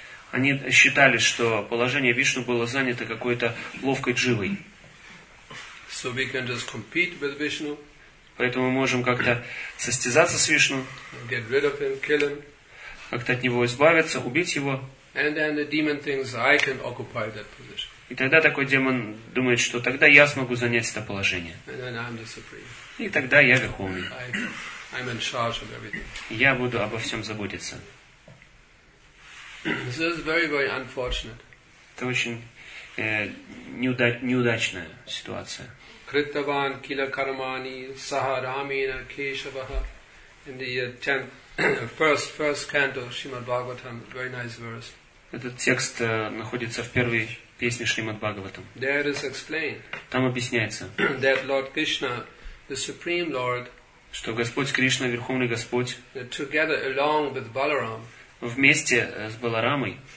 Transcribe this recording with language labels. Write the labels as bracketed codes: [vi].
[ru] Они считали, что положение Вишну было занято какой-то ловкой дживой. [en] So we can just compete with Vishnu. [ru] Поэтому мы можем как-то состязаться с Вишну, [en] get rid of him, kill him. [ru] Как-то от него избавиться, убить его. [en] And then the demon thinks, I can occupy that position. [ru] И тогда такой демон думает, что тогда я смогу занять это положение. [en] And then I'm the supreme. [ru] И тогда я верховный. [en] I'm in charge of everything. [ru] Я буду обо всем заботиться. [en] This is very, very unfortunate. [ru] Это очень неудачная ситуация. [sa] Kritavan kila karmani saharamina keshavaha. [en] In the first canto Shrimad Bhagavatam, very nice verse. [ru] Этот текст находится в первой песне Шримад Бхагаватам. [en] There is explained. [ru] Там объясняется. [en] That Lord Krishna, the Supreme Lord. [ru] Что Господь Кришна, Верховный Господь. [en] Together along with Balaram. [ru] Вместе с Баларамой.